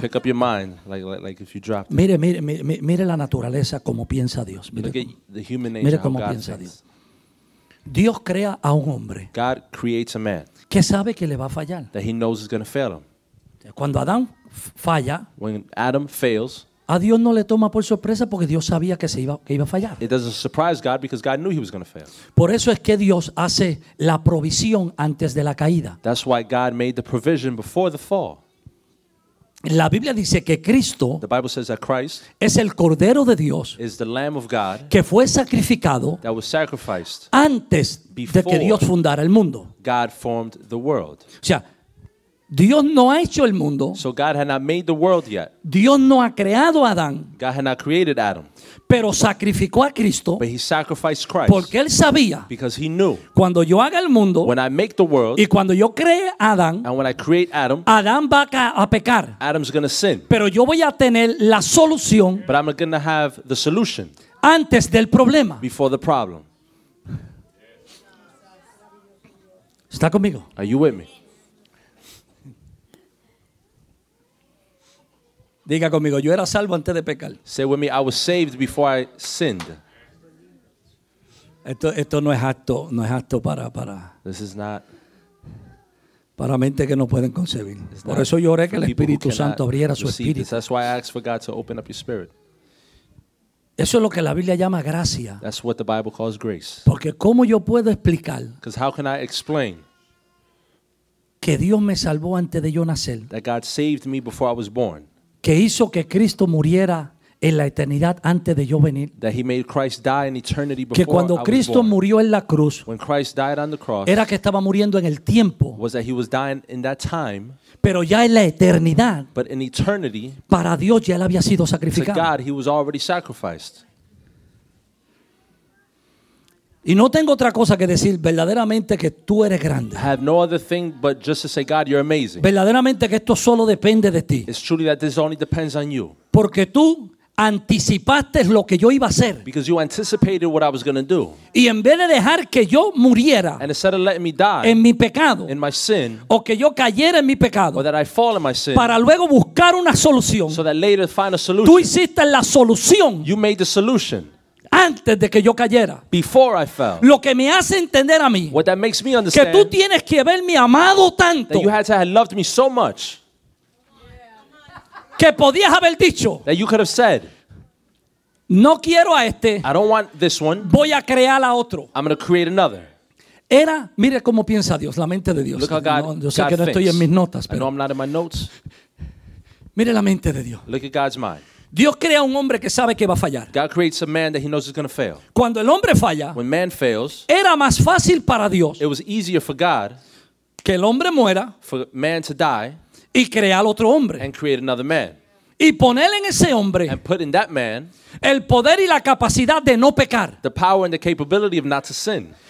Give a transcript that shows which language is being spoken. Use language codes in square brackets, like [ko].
[en] Pick up your mind, like if you drop. [es] Mire, mire, mire, mire la naturaleza como piensa Dios. Mire, [en] the human nature, [es] mire cómo [en] God [es] piensa [en] thinks. [es] Dios. Dios crea a un hombre. [en] God creates a man. [es] Que sabe que le va a fallar. [en] That he knows is going to fail him. [es] Cuando Adán falla. [en] When Adam fails. [es] A Dios no le toma por sorpresa porque Dios sabía que iba a fallar. [en] It doesn't surprise God because God knew he was going to fail. [es] Por eso es que Dios hace la provisión antes de la caída. [en] That's why God made the provision before the fall. [es] La Biblia dice que Cristo, [en] the Bible says that Christ, [es] es el Cordero de Dios, [en] is the Lamb of God, [es] que fue sacrificado, [en] that was sacrificed, [es] antes de que Dios fundara el mundo. [en] God formed the world. [es] O sea, Dios no ha hecho el mundo. [en] So God had not made the world yet. [es] Dios no ha creado a Adán. [en] God had not created Adam. [es] Pero sacrificó a Cristo. [en] But he sacrificed Christ. [es] Porque él sabía. [en] Because he knew. [es] Cuando yo haga el mundo. [en] When I make the world. [es] Y cuando yo cree a Adán. [en] And when I create Adam. [es] Adán va a pecar. [en] Adam's going to sin. [es] Pero yo voy a tener la solución. [en] But I'm going to have the solution. [es] Antes del problema. [en] Before the problem. [es] ¿Está conmigo? [en] Are you with me? [es] Diga conmigo, yo era salvo antes de pecar. [en] Say with me, I was saved before I sinned. [es] Esto no es acto para [en] this is not [es] para mente que no pueden concebir. Por eso lloré que el Espíritu Santo abriera su espíritu. [en] That's why I asked for God to open up your spirit. [es] Eso es lo que la Biblia llama gracia. [en] That's what the Bible calls grace. [es] Porque cómo yo puedo explicar? [en] Because how can I explain? [es] Que Dios me salvó antes de yo nacer. [en] That God saved me before I was born. [es] Que hizo que Cristo muriera en la eternidad antes de yo venir. [en] That he made Christ die in eternity before [es] que cuando Cristo murió en la cruz, [en] when Christ died on the cross, [es] era que estaba muriendo en el tiempo. [en] Was that he was dying in that time, [es] pero ya en la eternidad, [en] but in eternity, [es] para Dios ya él había sido sacrificado. [en] To God, he was already sacrificed. [es] Y no tengo otra cosa que decir verdaderamente que tú eres grande. [en] I have no other thing but just to say, God, you're amazing. [es] Verdaderamente que esto solo depende de ti. [en] It's truly that this only depends on you. [es] Porque tú anticipaste lo que yo iba a hacer. [en] Because you anticipated what I was going to do. [es] Y en vez de dejar que yo muriera, [en] and instead of letting me die, [es] en mi pecado, [en] in my sin, [es] o que yo cayera en mi pecado, [en] or that I fall in my sin, [es] para luego buscar una solución, [en] so that later find a solution, [es] tú hiciste la solución. [en] You made the solution. [es] Antes de que yo cayera. [en] Before I fell. [es] Lo que me hace entender a mí. [en] What that makes me understand. [es] Que tú tienes que haberme amado tanto. [en] That you had to have loved me so much. [es] Que podías haber dicho. [en] That you could have said. [es] No quiero a este. [en] I don't want this one. [es] Voy a crear a otro. [en] I'm going to create another. [es] Era, mire cómo piensa Dios, la mente de Dios. [en] Look how God, [es] yo sé [en] God [es] que [en] thinks. [es] No estoy en mis notas, pero. [en] I know I'm not in my notes. [es] Mire la mente de Dios. [en] Look at God's mind. [es] Dios crea un hombre que sabe que va a fallar. [en] God creates a man that he knows is going to fail. [es] Cuando el hombre falla, [en] when man fails, [es] era más fácil para Dios, [en] it was easier for God, [es] que el hombre muera, [en] for man to die, [es] y crear otro hombre, [en] and create another man, [es] y poner en ese hombre, [en] and put in that man, [es] el poder y la capacidad de no pecar, [en] the power and the capability of not to sin,